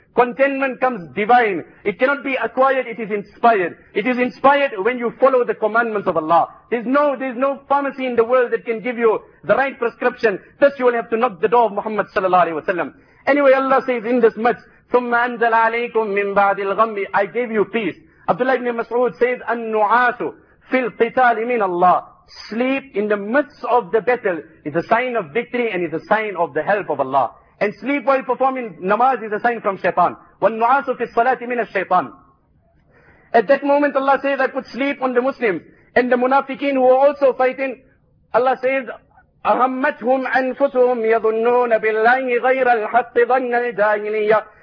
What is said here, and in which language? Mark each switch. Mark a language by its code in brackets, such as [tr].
[en] Contentment comes divine. It cannot be acquired, it is inspired. It is inspired when you follow the commandments of Allah. There's no pharmacy in the world that can give you the right prescription. Thus you will have to knock the door of Muhammad sallallahu alayhi wa sallam. Anyway, Allah says in this midst, [ar] ثُمَّ أَنْزَلَ عَلَيْكُمْ مِنْ بَعْدِ الْغَمِّ. [en] I gave you peace. Abdullah ibn Mas'ud says, [ar] أَنْنُعَاسُ فِي الْقِتَالِ مِنَ اللَّهِ. [en] Sleep in the midst of the battle is a sign of victory and is a sign of the help of Allah. And sleep while performing namaz is a sign from shaitan. [ar] وَالنُعَاسُ فِي الصَّلَاةِ مِنَ الشَّيْطَانِ. [en] At that moment Allah says, I put sleep on the Muslims. And the munafiqeen who are also fighting, Allah says, [ar] أَهَمَّتْهُمْ أَنفُسُهُمْ يَظُنُّونَ بِاللَّهِ غَيْرَ الْحَقِّ ظَنَّ الْجَاهِلِيَّةِ.